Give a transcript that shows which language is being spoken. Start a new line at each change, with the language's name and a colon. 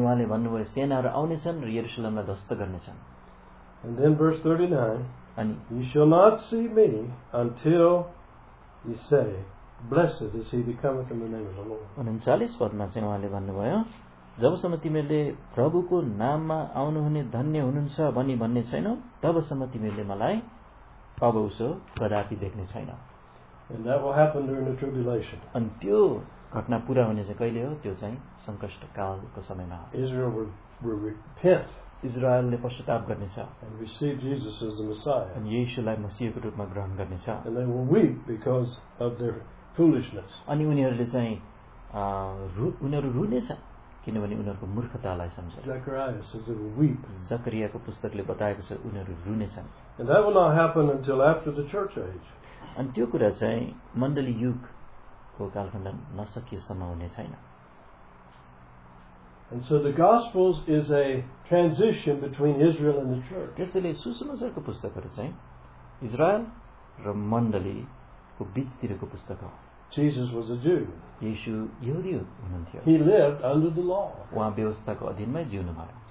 Nepali: उहाँले भन्नुभयो सेनाहरू आउनेछन् र यरुशलेमलाई ध्वस्त गर्नेछन्
English: And then verse 39, you shall not see me until you say, blessed is he becometh in the name of the Lord.
Nepali: 39 पदमा चाहिँ उहाँले भन्नुभयो जबसम्म तिमीहरूले प्रभुको नाममा आउनुहुने धन्य हुनुहुन्छ भनी भन्ने छैनौ तबसम्म तिमीहरूले मलाई अब उसो कदापि देख्ने छैनौ
English: And that will happen during the tribulation.
Nepali: अनि त्यो घटना पूरा हुने चाहिँ कहिले हो त्यो चाहिँ संकष्ट कालको समयमा हो
English: Israel will repent.
Nepali: इजरायलले पश्चाताप गर्नेछ
English: And receive Jesus as the Messiah.
Nepali: अनि यीशुलाई मसीहको रूपमा ग्रहण गर्नेछ
English: And they will weep because of their foolishness.
Nepali: अनि उनीहरूले चाहिँ उनीहरू रुनेछ किनभने उनीहरूको मूर्खतालाई सम्झेर
English: Zechariah says they will weep.
Nepali: जकरियाको पुस्तकले बताएको छ उनीहरू रुनेछन्
English: And that will not happen until after the church age.
Nepali: अनि त्यो कुरा चाहिँ मण्डली युगको कालखण्ड नसकिएसम्म हुने छैन
English: And so the Gospels is a transition between Israel and the church.
Nepali: त्यसैले सुसमाचारको पुस्तकहरू चाहिँ इजरायल र मण्डलीको बीचतिरको पुस्तक हो
English: Jesus was a Jew.
Nepali: यीशु यहुदी हुनुहुन्थ्यो
English: He lived under the law.
Nepali: उहाँ व्यवस्थाको अधीनमै जिउनु भयो